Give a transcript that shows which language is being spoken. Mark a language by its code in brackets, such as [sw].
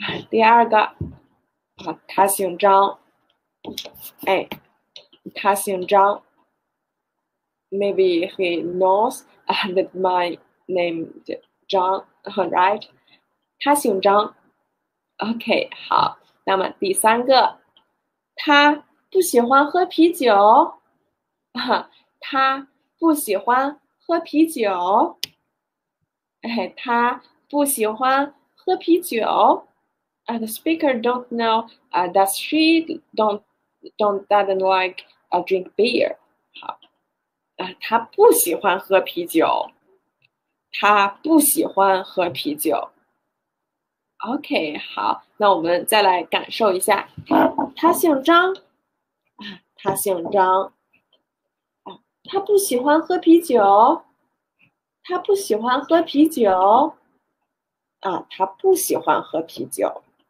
[zh] 第二个，他姓张。哎，他姓张。 [en] Maybe he knows that my name is Zhang, right? [zh] 他姓张。OK，好。那么第三个，他不喜欢喝啤酒，他不喜欢喝啤酒，哎，他不喜欢喝啤酒。 [en] The speaker don't know, that she doesn't like drink beer. [zh] 好，他不喜欢喝啤酒，他不喜欢喝啤酒。 OK，好，那我们再来感受一下。他姓张，他姓张，他不喜欢喝啤酒，他不喜欢喝啤酒，啊，他不喜欢喝啤酒。